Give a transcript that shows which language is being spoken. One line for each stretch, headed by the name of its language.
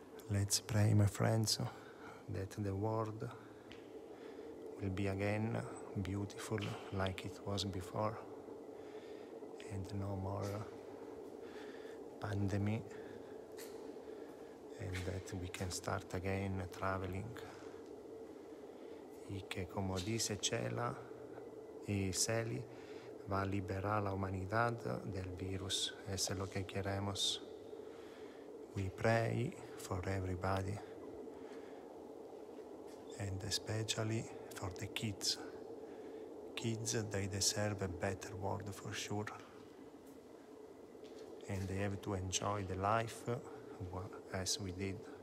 English: Let's pray, my friends, that the world will be again beautiful like it was before, and no more pandemic, and that we can start again traveling.
Spanish: Y que, como dice Cela y Celi, va a liberar la humanidad del virus. Eso es lo que queremos.
English: We pray for everybody, and especially for the kids. Kids, they deserve a better world for sure. And they have to enjoy the life as we did.